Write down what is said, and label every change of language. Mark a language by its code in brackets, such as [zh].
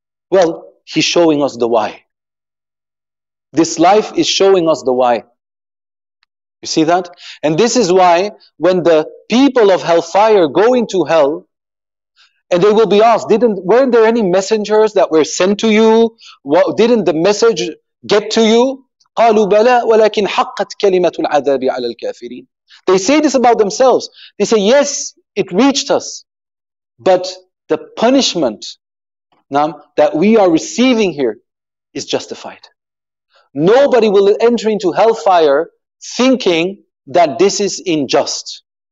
[en] Well, He's showing us the why. This life is showing us the why. You see that? And this is why when the people of hellfire go into hell, and they will be asked, weren't there any messengers that were sent to you? What, didn't the message get to you? [ar] قالوا بلى ولكن حقت كلمة العذاب على الكافرين. [en] They say this about themselves. They say, yes, it reached us. But the punishment that we are receiving here is justified. Nobody will enter into hellfire thinking that this is unjust.